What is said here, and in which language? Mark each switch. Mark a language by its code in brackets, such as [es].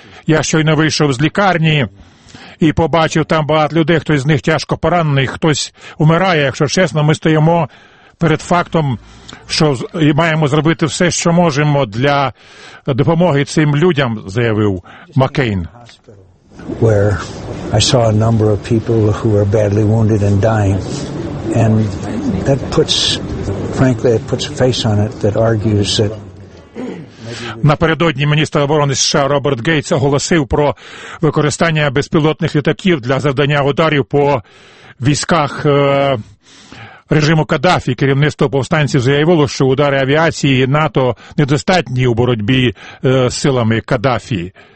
[uk] Я щойно вийшов з лікарні і побачив там багато людей, хтось з них тяжко поранений, хтось вмирає. Якщо чесно, ми стоїмо перед фактом, що маємо зробити все, що можемо для допомоги цим людям, заявив Маккейн. [en] Where I saw a number of people who were badly wounded and dying, and that puts, frankly, it puts a face on it that argues that. [uk] Напередодні міністр оборони США Роберт Гейтс оголосив про використання безпілотних літаків для завдання ударів по військах режиму Каддафі. Керівництво повстанців заявило, що удари авіації НАТО недостатні у боротьбі з силами Каддафі.